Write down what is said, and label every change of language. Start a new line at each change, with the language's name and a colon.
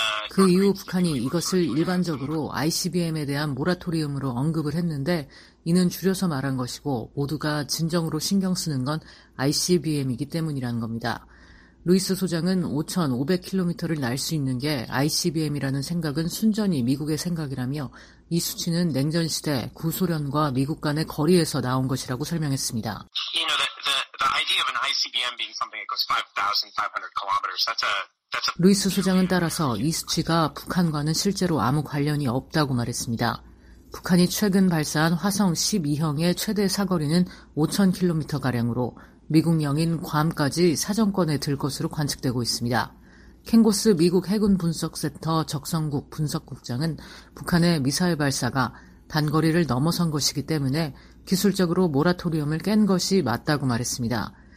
Korean: 그 이후 북한이 이것을 일반적으로 ICBM에 대한 모라토리엄으로 언급을 했는데 이는 줄여서 말한 것이고 모두가 진정으로 신경 쓰는 건 ICBM이기 때문이라는 겁니다. 루이스 소장은 5,500km를 날 수 있는 게 ICBM이라는 생각은 순전히 미국의 생각이라며 이 수치는 냉전 시대 구소련과 미국 간의 거리에서 나온 것이라고 설명했습니다.
English: You know, the idea of an ICBM being something that goes 5,500 kilometers, that's a...
Korean: 루이스 소장은 따라서 이 수치가 북한과는 실제로 아무 관련이 없다고 말했습니다. 북한이 최근 발사한 화성 12형의 최대 사거리는 5,000km가량으로 미국령인 괌까지 사정권에 들 것으로 관측되고 있습니다. 켄고스 미국 해군분석센터 적성국 분석국장은 북한의 미사일 발사가 단거리를 넘어선 것이기 때문에 기술적으로 모라토리엄을 깬 것이 맞다고 말했습니다.